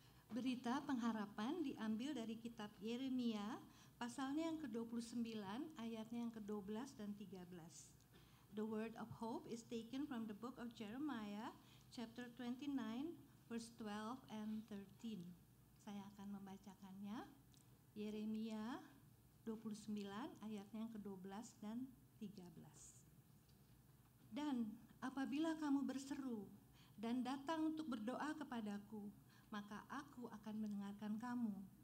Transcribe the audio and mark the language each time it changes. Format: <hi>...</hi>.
<id>Berita pengharapan diambil dari kitab Yeremia, pasalnya yang ke-29, ayatnya yang ke-12 dan 13.</id> <en>The word of hope is taken from the book of Jeremiah, chapter 29, verse 12 and 13.</en> <id>Saya akan membacakannya. Yeremia 29, ayatnya yang ke-12 dan 13. Dan apabila kamu berseru dan datang untuk berdoa kepadaku, maka aku akan mendengarkan kamu.</id>